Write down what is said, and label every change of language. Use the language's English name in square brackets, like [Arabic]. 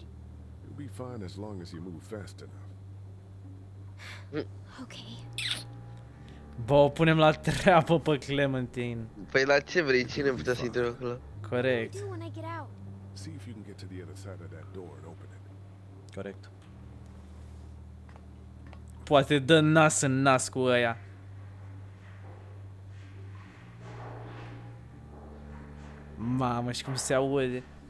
[English] You'll be fine as long as you move fast enough. Okay. [Romanian] Bă, o punem la treabă pe Clementine. Păi la ce vrei? Cine putea să intre acolo? Corect. [English] See if you can get to the other side of that door and open it. [Romanian] Corect. Poate dă nas în nas cu ăia. Mamă, și cum se aude.